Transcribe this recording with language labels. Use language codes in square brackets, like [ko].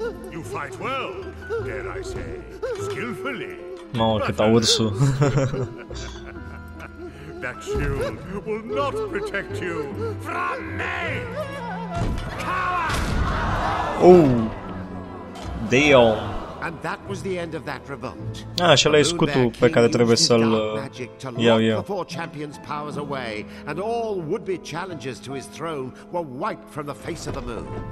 [en] You fight well, dare I say, skillfully. [ro] Mamă, cât a ursul. [en] That shield will not protect you from me! Coward! Oh! Damn! And that was the end of that revolt. [ro] Ah, și ăla e scutul pe care trebuie să-l iau eu. [en] The four champions' powers away, and all would-be challengers to his throne were wiped from the face of the moon.